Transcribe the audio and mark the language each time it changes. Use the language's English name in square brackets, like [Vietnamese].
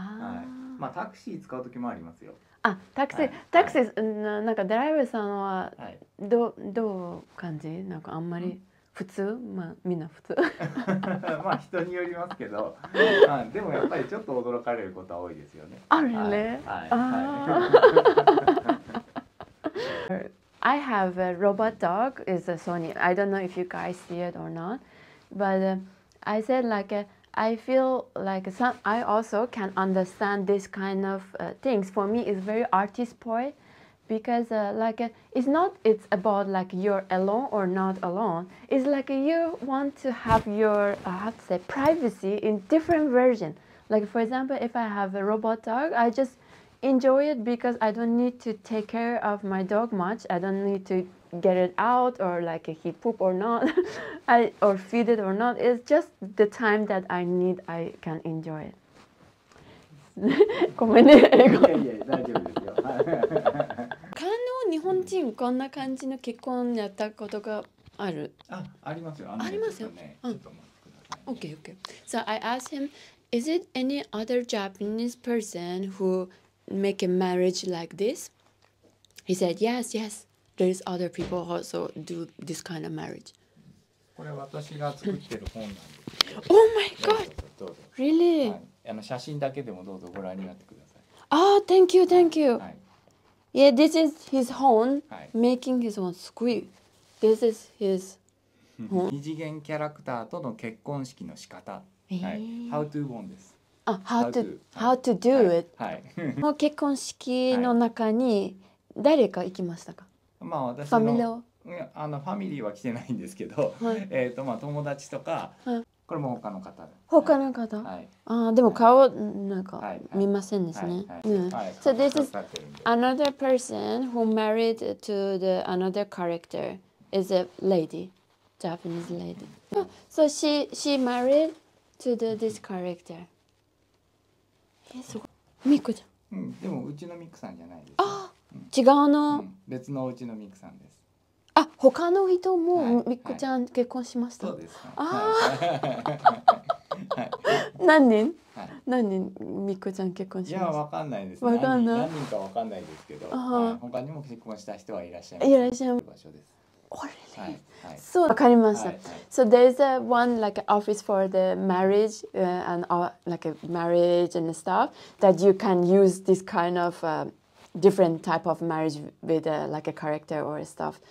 [Japanese] はい、まあタクシー使う時もありますよ。あ、タクシー、はい、タクシー、なんかドライバーさんははい、どう感じ、なんかあんまり普通、まあみんな普通まあ人によりますけど、でもやっぱりちょっと驚かれることは多いですよね。あれ、はい、はい、 [English] あI have a robot dog, it's a Sony. I don't know if you guys see it or not, but I said like aI feel like some, I also can understand this kind of things. For me, it's very artist point because like, it's not it's about like you're alone or not alone. It's like you want to have your, how to say, privacy in different version. Like for example, if I have a robot dog, I just enjoy it because I don't need to take care of my dog much. I don't need to get it out or like he poop or not. Or feed it or not. It's just the time that I need, I can enjoy it. [Japanese] ごめんね、英語。いやいや、大丈夫ですよ。他の日本人、こんな感じの結婚やったことがある。ありますよ。ありますよ。ちょっと待ってください。 [English] OK, OK. So I asked him, is it any other Japanese person who make a marriage like this? He said, yes, yes. There's other people also do this kind of marriage. [Japanese] これ私が作ってる本なんです [English] 。 Oh my god! Really?、 [Japanese] はい、写真だけでもどうぞご覧になってください。 [English] ああ、thank you, thank you.、 [Japanese] はい、 [English] yeah, this is his home,、 [Japanese] はい、 [English] making his own squeeze. This is his [Japanese] 二次元キャラクターとの結婚式の仕方、はい、 [English] How to won [Japanese] です。 [English] あ、How to do it、 [Japanese] はい。はい、もう結婚式の中に誰か行きましたか？まあ、私のファミリーは来てないんですけど、はい、まあ友達とか、はい、これも他の方で、他の方、はい、ああでも顔なんか見ませんですね。はい、 [English] So this is another person who married to the another character is a lady, Japanese lady. So she married to the this character. [Japanese] え、すごい。ミクちゃん。うん、でもうちのミクさんじゃないです。あ、うん、違うの、うん。別のうちのミクさんです。あ、他の人もみっこちゃん結婚しました。ははい、そうです、ね。ああ、何人、はい？何人みっこちゃん結婚しました。いや、わかんないです。わかんない。何人かわかんないですけど、はい、他にも結婚した人はいらっしゃいます。いらっしゃいます。場所です。あれ、はい、そう、わかりました。はい [English] はい、so there's a one like an office for the marriage、and like a marriage and stuff that you can use this kind of、different type of marriage with like a character or stuff.